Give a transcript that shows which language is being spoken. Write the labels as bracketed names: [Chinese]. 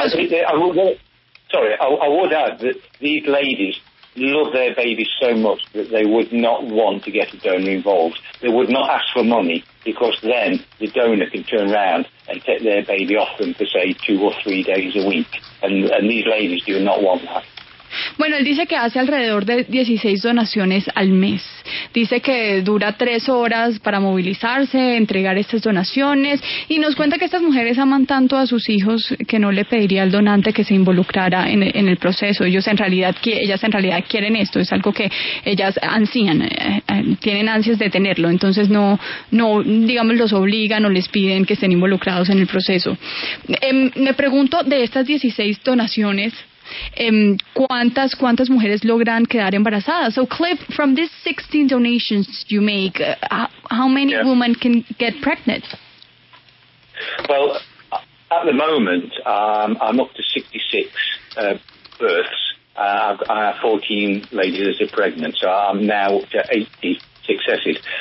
[English] I would add that these ladies love their babies so much that they would not want to get a donor involved. They would not ask for money, because then the donor can turn around and take their baby off them for, say, 2 or 3 days a week. And these ladies do not want that. [Spanish] Bueno, él dice que hace alrededor de 16 donaciones al mes. Dice que dura 3 horas para movilizarse, entregar estas donaciones, y nos cuenta que estas mujeres aman tanto a sus hijos que no le pediría al donante que se involucrara en el proceso. Ellas en realidad quieren esto, es algo que ellas ansían, tienen ansias de tenerlo, entonces no digamos los obligan o les piden que estén involucrados en el proceso. Me pregunto, de estas 16 donaciones, ¿cuántas mujeres logran quedar embarazadas? [English] So Cliff, from these 16 donations you make, how many yes. women can get pregnant? Well, at the moment, I'm up to 66 births. I have 14 ladies that are pregnant, so I'm now up to 80 successes.